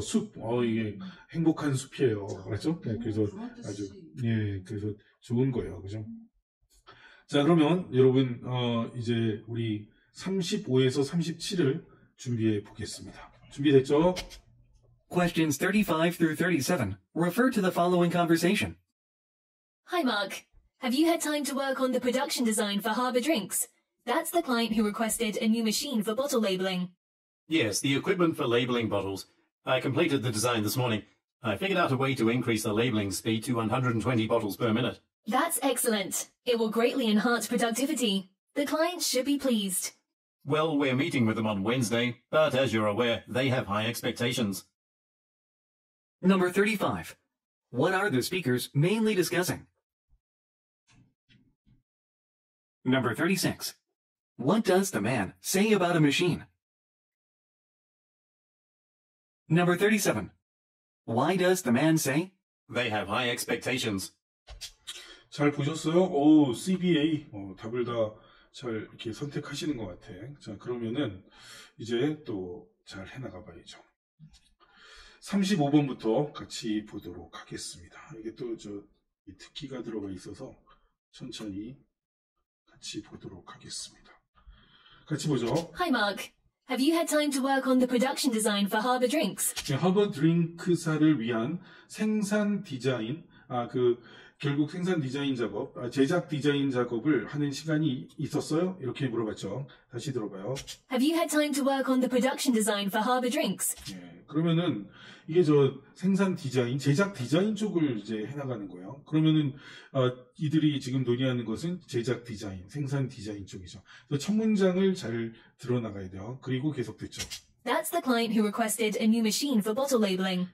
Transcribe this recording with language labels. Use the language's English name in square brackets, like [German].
[Korean] 숲. 이게 행복한 숲이에요. 그렇죠? 네, 그래서 아주, 예, 그래서 좋은 거예요. 그죠? 자, 그러면 여러분, 이제 우리 35에서 37을 준비해 보겠습니다. 준비됐죠? [English] Questions 35 through 37. Refer to the following conversation. Hi, Mark. Have you had time to work on the production design for Harbor Drinks? That's the client who requested a new machine for bottle labeling. Yes, the equipment for labeling bottles. I completed the design this morning. I figured out a way to increase the labeling speed to 120 bottles per minute. That's excellent. It will greatly enhance productivity. The client should be pleased. Well, we're meeting with them on Wednesday, but as you're aware, they have high expectations. Number 35. What are the speakers mainly discussing? Number 36. What does the man say about a machine? Number 37. Why does the man say? They have high expectations. [Korean] 잘 보셨어요? CBA. 답을 다 잘 이렇게 선택하시는 것 같아. 자, 그러면은 이제 또 잘 해나가 봐야죠. 35번부터 같이 보도록 하겠습니다. 이게 또 저 특기가 들어가 있어서 천천히 같이 보도록 하겠습니다. 같이 보죠. [English] Hi Mark. Have you had time to work on the production design for Harbor Drinks? [Korean] 네, Harbor Drinks사를 위한 생산 디자인 결국 생산 디자인 작업, 제작 디자인 작업을 하는 시간이 있었어요? 이렇게 물어봤죠. 다시 들어봐요. [English] Have you had time to work on the production design for Harbor Drinks? [Korean] 네. 그러면은 이게 저 생산 디자인, 제작 디자인 쪽을 이제 해나가는 거예요. 그러면은 이들이 지금 논의하는 것은 제작 디자인, 생산 디자인 쪽이죠. 그래서 첫 문장을 잘 들어나가야 돼요. 그리고 계속 됐죠. [English] That's the client who requested a new machine for bottle labeling.